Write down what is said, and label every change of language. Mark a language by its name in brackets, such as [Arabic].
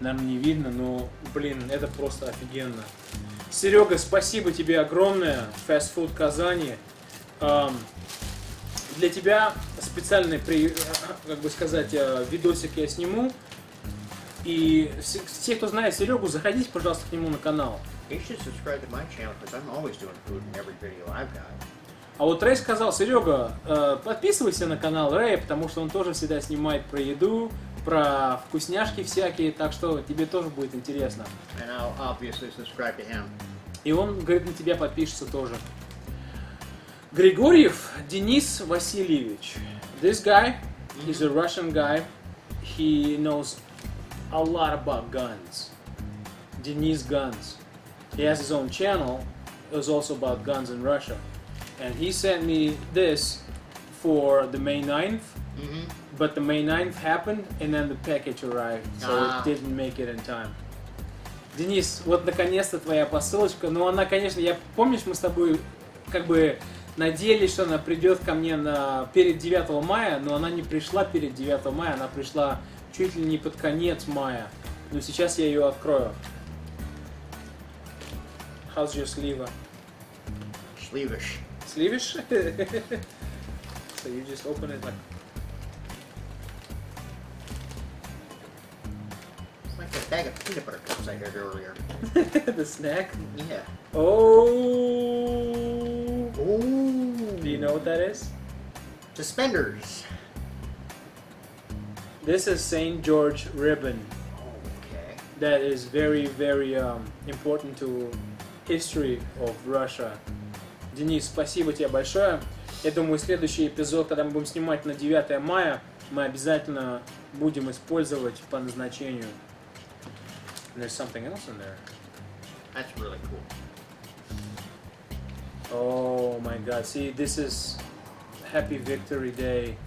[Russian] Наверное, не видно, но, блин, это просто офигенно. Серега, спасибо тебе огромное. Fast Food Казани. Для тебя специальный, как бы сказать, видосик я сниму. И все, кто знает Серегу, заходите, пожалуйста, к нему на канал. [English] You should subscribe to my channel, because I'm always doing food in every video I've got. [Russian] А вот Рэй сказал, Серега, подписывайся на канал Рэя, потому что он тоже всегда снимает про еду, про вкусняшки всякие, так что тебе тоже будет интересно. [English] And I'll obviously subscribe to him. [Russian] И он, говорит, на тебя подпишется тоже. Григорьев Денис Васильевич. [English] This guy is a Russian guy. He knows a lot about guns. Денис Guns. He has his own channel. It was also about guns in Russia. And he sent me this for the May 9th. Mm-hmm. But the May 9th happened, and then the package arrived. So it didn't make it in time. [Russian] Денис, вот наконец-то твоя посылочка. Ну, она, конечно, я помнишь, мы с тобой как бы... Надеялись, что она придет ко мне перед 9 мая, но она не пришла перед 9 мая, она пришла чуть ли не под конец мая. Но сейчас я ее открою. [English] How's your sleeve? Sleevish. Sleevish? So you just open it like... Bag of peanut butter cups I heard earlier. The snack? Yeah. Oh. Ooh. Do you know what that is? Suspenders. This is Saint George ribbon. Okay. That is very, very important to history of Russia. [Russian] Денис, спасибо тебе большое. Я думаю, следующий эпизод, когда мы будем снимать на 9 мая, мы обязательно будем использовать по назначению. [English] And there's something else in there. That's really cool. Oh my god. See, this is Happy Victory Day.